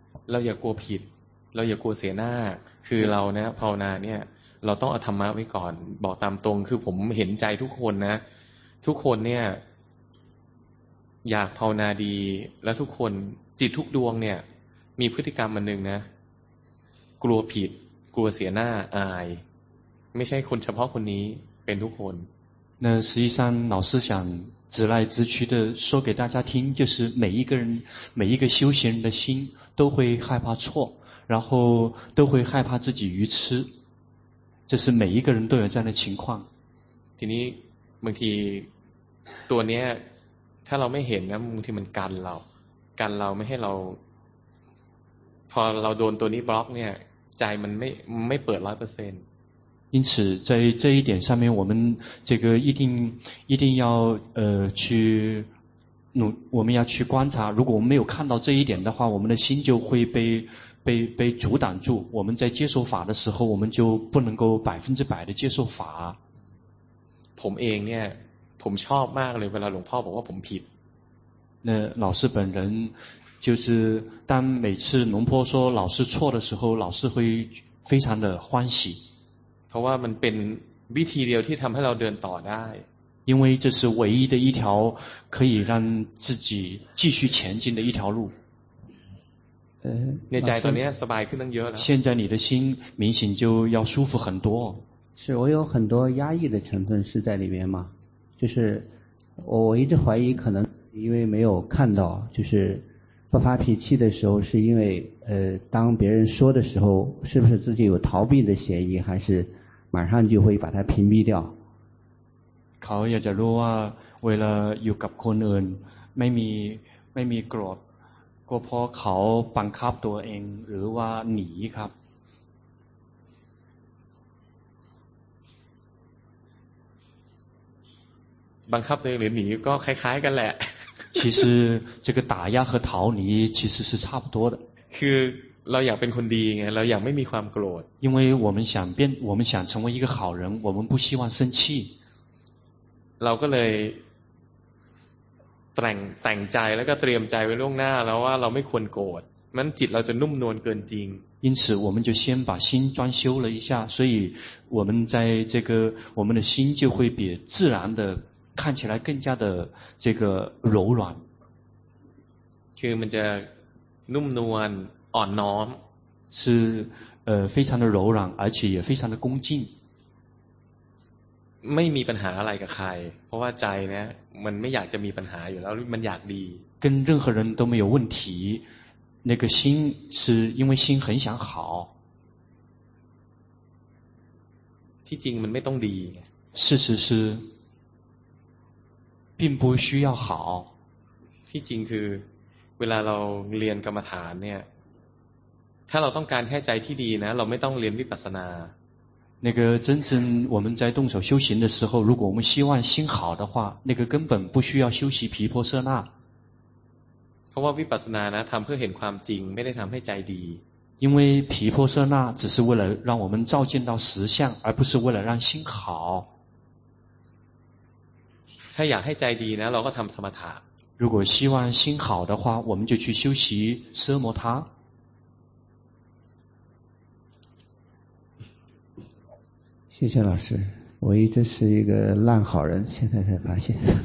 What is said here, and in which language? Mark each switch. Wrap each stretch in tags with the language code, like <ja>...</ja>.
<th>เราอย่ากลัวผิดเราอย่ากลัวเสียหน้าคือเราเนี่ยภาวนาเนี่ยเราต้องเอาธรรมะไว้ก่อนบอกตามตรงคือผมเห็นใจทุกคนนะทุกคนเนี่ยอยากภาวนาดีและทุกคนจิตทุกดวงเนี่ยมีพฤติกรรมอันหนึ่งนะกลัวผิด กลัวเสียหน้าอายไม่ใช่คนเฉพาะคนนี้เป็นทุกคน</th> <zh>那实际上老师想直来直去的说给大家听就是每一个人每一个修行人的心都会害怕错然后都会害怕自己愚痴这是每一个人都有这样的情况</zh> <th>ทีนี้บางทีตัวเนี้ยถ้าเราไม่เห็นนะบางทีมันกันเรากันเราไม่ให้เราพอเราโดนตัวนี้บล็อกเนี่ยใจมันไม่เปิด 100%</th> <zh>因此在这一点上面我们这个一定要去我们要去观察如果我们没有看到这一点的话我们的心就会被阻挡住我们在接受法的时候我们就不能够百分之百的接受法</zh> <th>ผมเองเนี่ยผมชอบมากเลยเวลาหลวงพ่อบอกว่าผมผิด</th> <zh>那老师本人就是当每次龙坡说老师错的时候老师会非常的欢喜</zh> <th>เพราะว่ามันเป็นวิธีเดียวที่ทำให้เราเดินต่อได้</th> <zh>因为这是唯一的一条可以让自己继续前进的一条路</zh> <th>ในใจตอนนี้สบายขึ้นตั้งเยอะแล้ว</th> <zh>现在你的心明显就要舒服很多是我有很多压抑的成分是在里面吗就是我一直怀疑可能因为没有看到就是不发脾气的时候是因为当别人说的时候是不是自己有逃避的嫌疑还是马上就会把它屏蔽掉</zh> <th>เขาอยากจะรู้ว่าเวลาอยู่กับคนอื่นไม่มีโกรธก็เพราะเขาบังคับตัวเองหรือว่าหนีครับ บังคับตัวเองหรือหนีก็คล้ายๆกันแหละ</th> <zh>其实这个打压和逃离其实是差不多的</zh> <th>คือเราอยากเป็นคนดีไงเราอยากไม่มีความโกรธ</th> <zh>因为我们想成为一个好人我们不希望生气</zh> <th>เราก็เลยแต่งใจแล้วก็เตรียมใจไว้ล่วงหน้าแล้วว่าเราไม่ควรโกรธมันจิตเราจะนุ่มนวลเกินจริง</th> <zh>因此我们就先把心装修了一下所以我们在这个我们的心就会比自然的看起来更加的这个柔软</zh> <th>คือมันจะนุ่มนวลอ่อนน้อม</th> <zh>是非常的柔软而且也非常的恭敬</zh> <th>ไม่มีปัญหาอะไรกับใครเพราะว่าใจเนี่ยมันไม่อยากจะมีปัญหาอยู่แล้วมันอยากดี</th> <zh>跟任何人都没有问题那个心是因为心很想好</zh> <th>ที่จริงมันไม่ต้องดี</th> <zh>是并不需要好</zh> <th>ที่จริงคือเวลาเราเรียนกรรมฐานเนี่ยถ้าเราต้องการแค่ใจที่ดีนะเราไม่ต้องเรียนวิปัสสนา</th> <zh>那个真正我们在动手修行的时候如果我们希望心好的话那个根本不需要修习毗婆舍那</zh> <th>เพราะว่าวิปัสสนานะทำเพื่อเห็นความจริงไม่ได้ทำให้ใจดี</th> <zh>因为毗婆舍那只是为了让我们照见到实相而不是为了让心好</zh> <th>ถ้าอยากให้ใจดีนะเราก็ทำสมถะ</th> <zh>如果希望心好的话我们就去修习奢摩他谢谢老师我一直是一个烂好人现在才发现</zh>